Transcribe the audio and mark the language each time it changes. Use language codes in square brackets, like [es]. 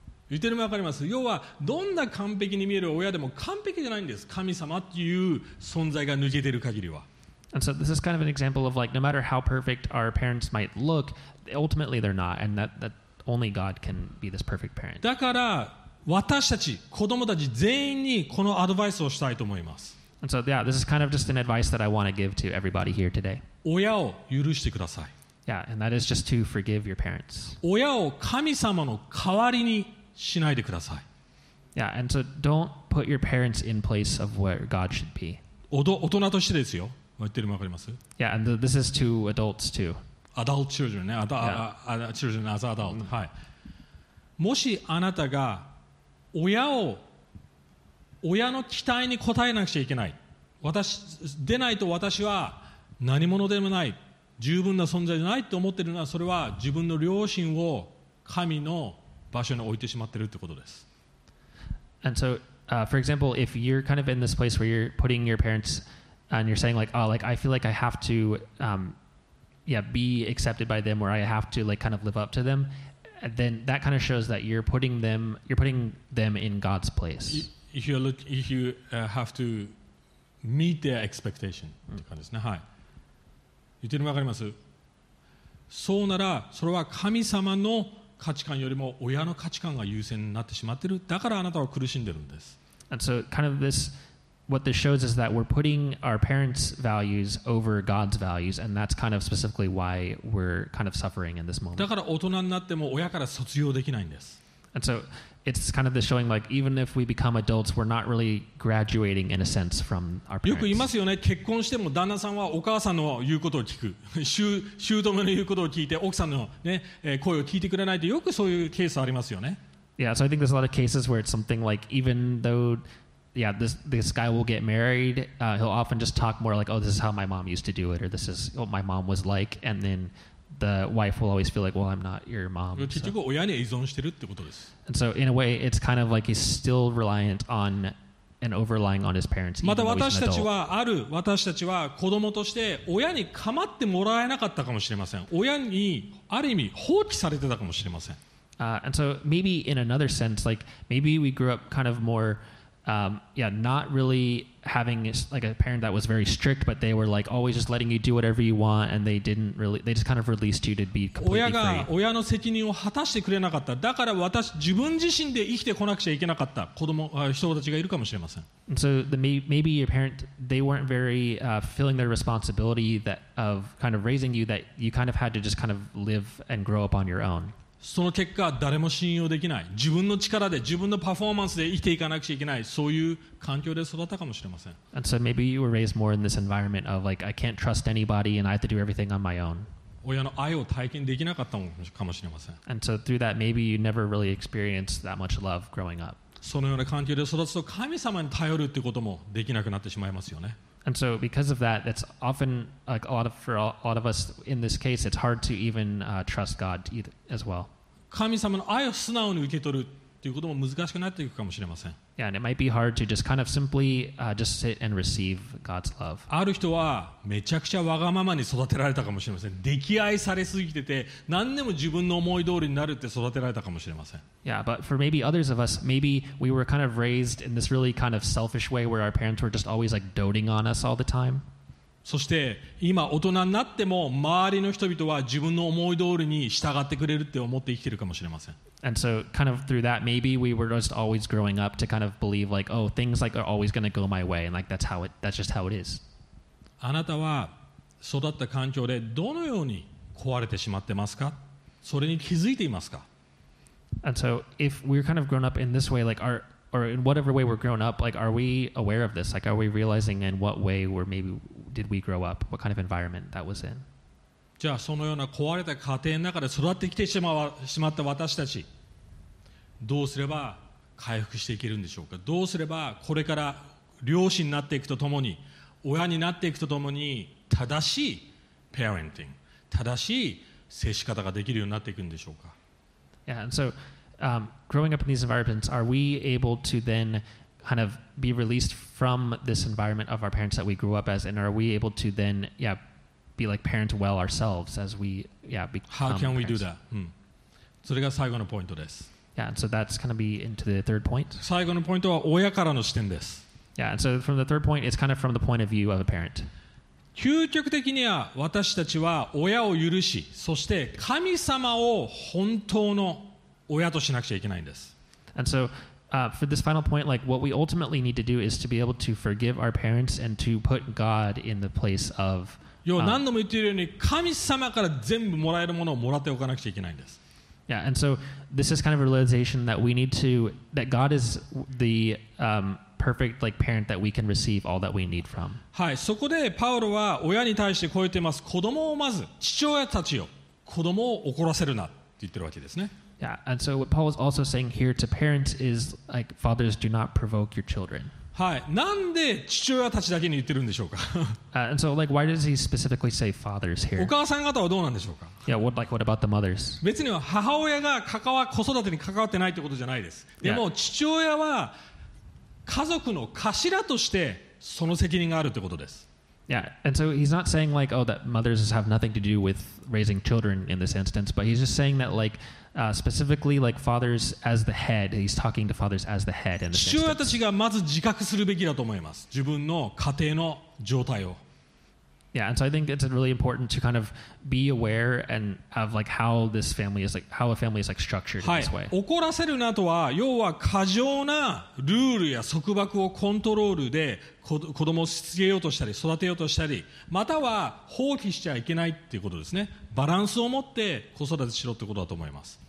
[ja] 言ってるのも分かります。要はどんな完璧に見える親でも完璧じゃないんです。神様っていう存在が抜けてる限りは。 [en] And so this is kind of an example of like, no matter how perfect our parents might look, ultimately they're not, and that only God can be this perfect parent. [ja] だから 私たち子供たち全員にこのアドバイスをしたいと思います。 [en] And so yeah, this is kind of just an advice that I want to give to everybody here today. [ja] 親を許してください。 [en] Yeah, and that is just to forgive your parents. [ja] 親を神様の代わりにしないでください。 [en] Yeah, and so don't put your parents in place of where God should be. [ja] 大人としてですよ。言ってるのわかります? [en] Yeah, and this is to adults too. Adult children, ね。Children as adult. Mm-hmm. はい。 [ja] もしあなたが 親の期待に応えなくちゃいけない。私でないと私は何者でもない、十分な存在じゃないと思ってるのは、それは自分の両親を神の場所に置いてしまってるってことです。 [en] And so, for example, if you're kind of in this place where you're putting your parents and you're saying like, oh, like I feel like I have to, be accepted by them, or I have to like kind of live up to them. And then that kind of shows that you're putting them in God's place. If you have to meet their expectation, [ja] って感じですね。はい。言ってるのわかります? そうなら、それは神様の価値観よりも親の価値観が優先になってしまっている。だからあなたは苦しんでるんです。 [en] And so kind of this, what this shows is that we're putting our parents' values over God's values, and that's kind of specifically why we're kind of suffering in this moment. [ja] だから大人になっても親から卒業できないんです。 [en] And so it's kind of this showing like even if we become adults, we're not really graduating in a sense from our parents. [ja] よく言いますよね。結婚しても旦那さんはお母さんの言うことを聞く。姑の言うことを聞いて奥さんの、ね、声を聞いてくれないってよくそういうケースありますよね。 [en] Yeah, so I think there's a lot of cases where it's something like even though, yeah, this guy will get married, he'll often just talk more like, oh, this is how my mom used to do it, or this is what my mom was like, and then the wife will always feel like, well, I'm not your mom. And so in a way, it's kind of like he's still reliant on and overlying on his parents. [ja] また私たちはある私たちは子供として親に構ってもらえなかったかもしれません。親にある意味放棄されてたかもしれません。 [en] And so maybe in another sense, like maybe we grew up kind of more, not really having like a parent that was very strict, but they were like always just letting you do whatever you want, and they didn't really, they just kind of released you to be completely free. [ja] 親の責任を果たしてくれなかった。だから私自分自身で生きてこなくちゃいけなかった子供、人たちがいるかもしれません。 [en] And so maybe your parent, they weren't very feeling their responsibility that of kind of raising you, that you kind of had to just kind of live and grow up on your own. [ja] その結果誰も信用できない自分の力で自分のパフォーマンスで生きていかなくちゃいけないそういう環境で育ったかもしれません。 [en] And so maybe you were raised more in this environment of like I can't trust anybody and I have to do everything on my own. [ja] 親の愛を体験できなかったかもしれません。 [en] And so through that maybe you never really experienced that much love growing up. [ja] そのような環境で育つと神様に頼るってこともできなくなってしまいますよね。 [en] And so because of that, that's often like a lot of, for a lot of us in this case, it's hard to even trust God as well. [ja] 神様の愛を素直に受け取るということも難しくなっていくかもしれません。 [en] Yeah, and it might be hard to just kind of simply just sit and receive God's love. [ja] ある人はめちゃくちゃわがままに育てられたかもしれません。溺愛されすぎてて何でも自分の思い通りになるって育てられたかもしれません。 [en] Yeah, but for maybe others of us, maybe we were kind of raised in this really kind of selfish way where our parents were just always like doting on us all the time. [ja] そして今大人になっても周りの人々は自分の思い通りに従ってくれるって思って生きてるかもしれません。 [en] And so kind of through that, maybe we were just always growing up to kind of believe like, oh, things like are always going to go my way. And like, that's just how it is. [ja] あなたは育った環境でどのように壊れてしまってますか？それに気づいていますか？ [en] And so if we're kind of grown up in this way, like or in whatever way we're grown up, like, are we aware of this? Like, are we realizing in what way we're maybe, did we grow up? What kind of environment that was in? [ja] じゃあそのような壊れた家庭の中で育ってきてしまった私たちどうすれば回復していけるんでしょうか。どうすればこれから両親になっていくとともに親になっていくとともに正しいパレンティング正しい接し方ができるようになっていくんでしょうか。 [en] Yeah, and so, growing up in these environments, are we able to then kind of be released from this environment of our parents that we grew up as, and are we able to then, yeahbe like parents well ourselves as we, yeah, become How can parents. We do that?、 [ja] それが最後のポイントです。 [en] Yeah, and so that's going to be into the third point. [ja] 最後のポイントは親からの視点です。 [en] Yeah, and so from the third point, it's kind of from the point of view of a parent. [ja] 究極的には私たちは親を許し、そして神様を本当の親としなくちゃいけないんです。 [en] And so,for this final point, like what we ultimately need to do is to be able to forgive our parents and to put God in the place of... [ja] 何度も言っているように神様から全部もらえるものをもらっておかなくちゃいけないんです。 [en] Yeah, and so this is kind of a realization that we need to, that God is the perfect like parent that we can receive all that we need from. [ja] はい、そこでパウロは親に対してこう言っています。子供をまず、父親たちよ、子供を怒らせるなって言ってるわけですね。 [en] Yeah, and so what Paul is also saying here to parents is like, fathers, do not provoke your children. [ja] はい、なんで父親たちだけに言ってるんでしょうか。 [en] And so, like, why does he specifically say fathers here? [ja] お母さん方はどうなんでしょうか。 [en] Yeah, what about the mothers? [ja] 別には母親が子育てに関わってないってことじゃないです。でも、父親は家族の頭としてその責任があるってことです。 [en] Yeah, and so he's not saying like, oh, that mothers have nothing to do with raising children in this instance, but he's just saying that like,specifically like fathers as the head, he's talking to fathers as the head in this instance. [ja] 父親たちがまず自覚するべきだと思います。自分の家庭の状態を。 [en] Yeah, and so I think it's really important to kind of be aware and of like how this family is like, how a family is like structured in this way. [ja] 怒らせるなとは、要は過剰なルールや束縛をコントロールで子供をしつけようとしたり育てようとしたり、または放棄しちゃいけないっていうことですね。バランスを持って子育てしろってことだと思います。